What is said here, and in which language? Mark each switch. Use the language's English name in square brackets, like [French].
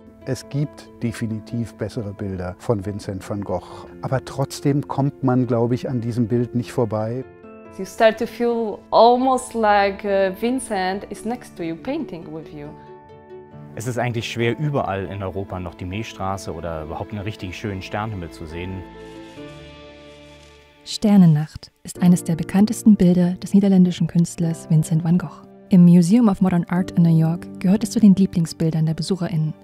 [German] Es gibt definitiv bessere Bilder von Vincent van Gogh. Aber trotzdem kommt man, glaube ich, an diesem Bild nicht vorbei. [English] You start to feel almost like Vincent is next to you, painting with you. [German] Es ist eigentlich schwer, überall in Europa noch die Milchstraße oder überhaupt einen richtig schönen Sternenhimmel zu sehen. Sternennacht ist eines der bekanntesten Bilder des niederländischen Künstlers Vincent van Gogh. Im Museum of Modern Art in New York gehört es zu den Lieblingsbildern der BesucherInnen.